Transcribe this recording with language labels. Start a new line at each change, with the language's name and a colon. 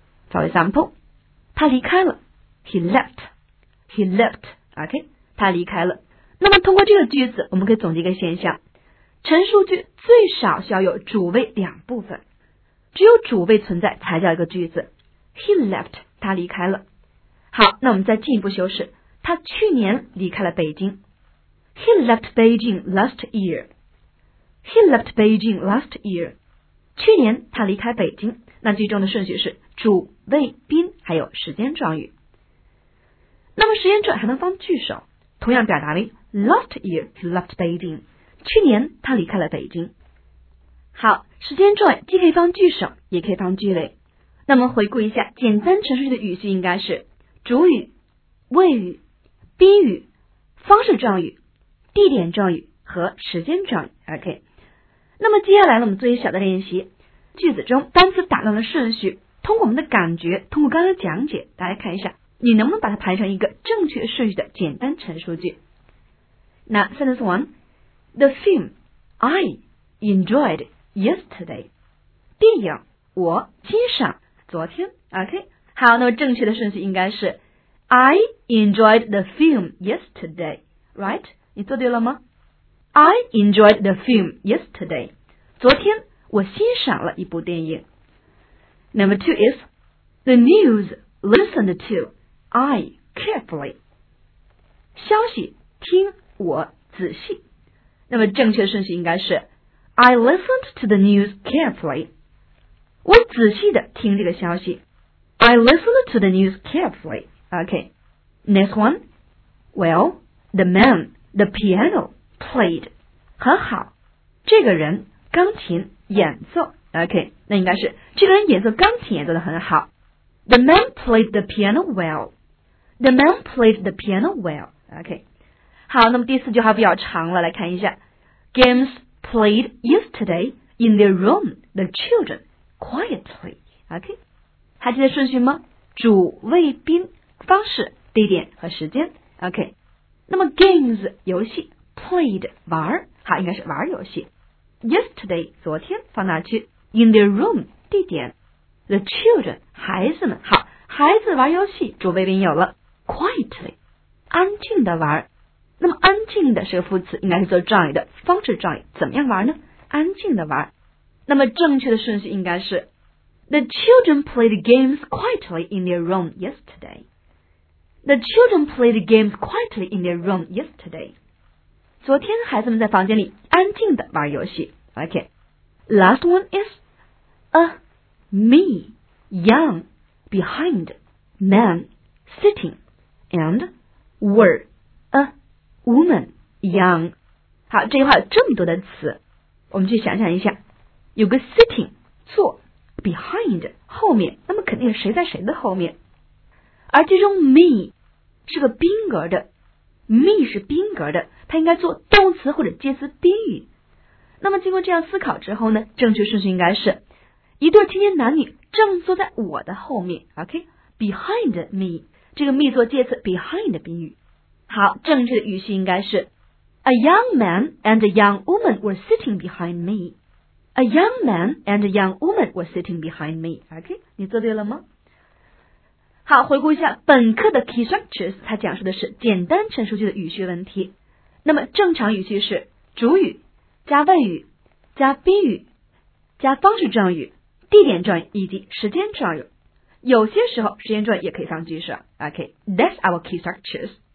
English: For example,
Chinese: 他离开了 ,
English: he left,
Chinese: OK, 他离开了。那么通过这个句子，我们可以总结一个现象，陈述句最少需要有主谓两部分，只有主谓存在才叫一个句子。
English: He left,
Chinese: 他离开了。好，那我们再进一步修饰，他去年离开了北京。
English: He left Beijing last year. He left Beijing last year.
Chinese: 去年他离开北京，那句中的顺序是主谓宾还有时间状语。那么时间状还能放句首，同样表达为
English: last year he left Beijing.
Chinese: 去年他离开了北京。好，时间状既可以放句首也可以放句尾。那么回顾一下简单陈述句的语序，应该是主语、谓语、宾语、方式状语、地点状语和时间状语。 OK, 那么接下来呢，我们做一小的练习，句子中单词打乱的顺序，通过我们的感觉，通过刚才讲解，大家看一下你能不能把它排成一个正确顺序的简单陈述句。
English: 那 sentence one,The film I enjoyed yesterday.
Chinese: 电影我欣赏昨天。 OK, 好，那么正确的顺序应该是
English: I enjoyed the film yesterday. Right?
Chinese: 你做对了吗？
English: I enjoyed the film yesterday.
Chinese: 昨天我欣赏了一部电影。
English: Number two is The news listened to I carefully.
Chinese: 消息听我仔细。那么正确顺序应该是
English: I listened to the news carefully.
Chinese: 我仔细地听这个消息。
English: I listened to the news carefully. OK. Next one. Well, the man, the piano, played.
Chinese: 很好。这个人钢琴演奏。OK. 那应该是这个人演奏钢琴演奏得很好。
English: The man played the piano well. The man played the piano well. OK.
Chinese: 好，那么第四句话比较长了，来看一下。
English: Games played yesterday in their room, the children, quietly.
Chinese: OK? 还记得顺序吗？主谓宾、方式、地点和时间。
English: OK?
Chinese: 那么 games, 游戏 played, 玩，好，应该是玩游戏。 Yesterday, 昨天，放哪去 ?
English: In their room,
Chinese: 地点。 The children, 孩子们，好，孩子玩游戏，主谓宾有了。 Quietly, 安静的玩。那么安静的是个副词，应该是做状语的方式状语，怎么样玩呢？安静的玩。那么正确的顺序应该是
English: The children played games quietly in their room yesterday. The children played games quietly in their room yesterday.
Chinese: 昨天孩子们在房间里安静的玩游戏。
English: OK. Last one is A me young behind man sitting and were aWoman, young. 好，这句话有这么多的词，
Chinese: 我们去想象一下，有个 sitting 坐 behind 后面，那么肯定是谁在谁的后面。而这种 me 是个宾格的， me 是宾格的，它应该做动词或者介词宾语。那么经过这样思考之后呢，正确顺序应该是一对青年男女正坐在我的后面，
English: OK behind me，
Chinese: 这个 me 做介词 behind 宾语。好，正确的语序应该是
English: A young man and a young woman were sitting behind me. A young man and a young woman were sitting behind me.
Chinese: OK， 你做对了吗？好，回顾一下本课的 key structures， 它讲述的是简单陈述句的语序问题。那么正常语序是主语加谓语加宾语加方式状语、地点状语以及时间状语。有些时候时间状语也可以放句式。OK，
English: that's our key structures.